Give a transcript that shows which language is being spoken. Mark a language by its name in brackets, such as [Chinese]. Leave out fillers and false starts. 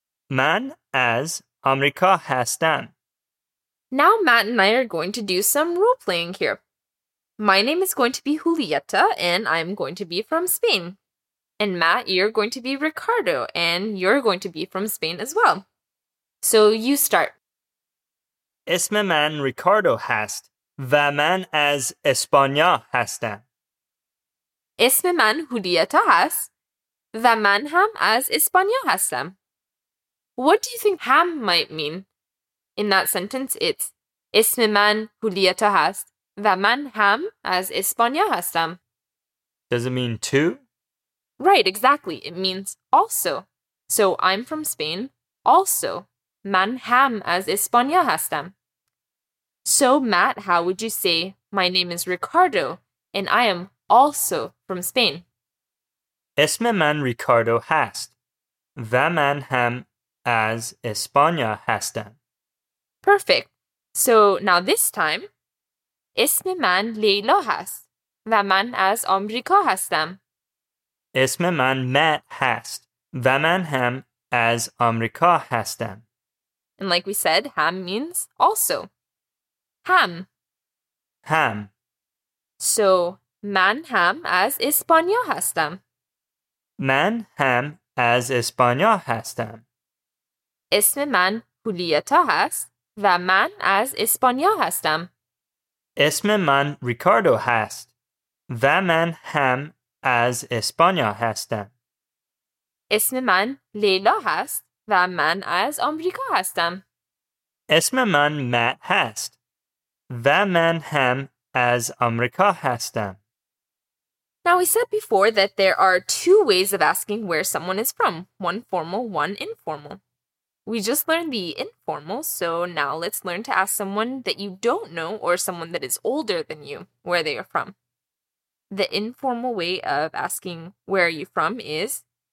[Persian] من از آمریکا هستم. [English] Now Matt and I are going to do some role playing here. My name is going to be Julieta and I'm going to be from Spain. And Matt, you're going to be Ricardo and you're going to be from Spain as well. So you start. [Persian] اسم من ریکاردو هست و من از اسپانیا هستم. اسم من هولیتا هست و من هم از اسپانیا هستم. [English] What do you think هم might mean? In that sentence, it's [Persian] اسم من هولیتا هست و من هم از اسپانیا هستم. [English] Does it mean too? Right, exactly. It means also. So I'm from Spain, also. [Persian] من هم از اسپانیا هستم. [English] So Matt, how would you say my name is Ricardo and I am also from Spain? [Persian] اسم من ریکاردو هست و من هم از اسپانیا هستم. [English] Perfect. So now this time, [Persian] اسم من لیلا هست و من از آمریکا هستم. اسم من مات هست و من هم از آمریکا هستم. [English] And like we said, هم means also. هم. [Persian] هم. So من هم از اسپانیا هستم. من هم از اسپانیا هستم. اسم من هولیتا هست و من از اسپانیا هستم. اسم من ریکاردو هست و من هم از اسپانیا هستم. اسم من لیلا هست و من از آمریکا هستم. اسم من مات هست و من هم از آمریکا هستم. [English] Now, we said before that there are two ways of asking where someone is from, one formal, one informal. We just learned the informal, so now let's learn to ask someone that you don't know or someone that is older than you where they are from. The informal way of asking where are you from is